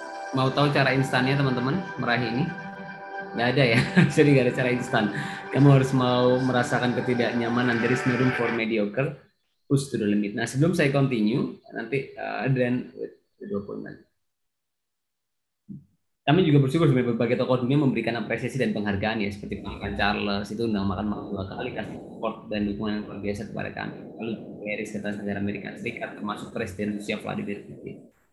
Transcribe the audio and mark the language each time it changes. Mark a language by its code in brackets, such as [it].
[id] Mau tahu cara instannya, teman-teman, meraih ini? Nggak ada ya, jadi nggak ada cara instan. Kamu harus mau merasakan ketidaknyamanan. [en] There is no room for mediocre, push to the limit. [id] Nah, sebelum saya continue, nanti dan kami juga bersyukur sebagai berbagai tokoh dunia memberikan apresiasi dan penghargaan ya, seperti pengangkatan Charles itu undang makan malam dua kali, kasih support dan dukungan yang luar biasa kepada kami. Lalu Paris, Ketua Negara Amerika Serikat, termasuk Presiden Rusia Vladimir Putin.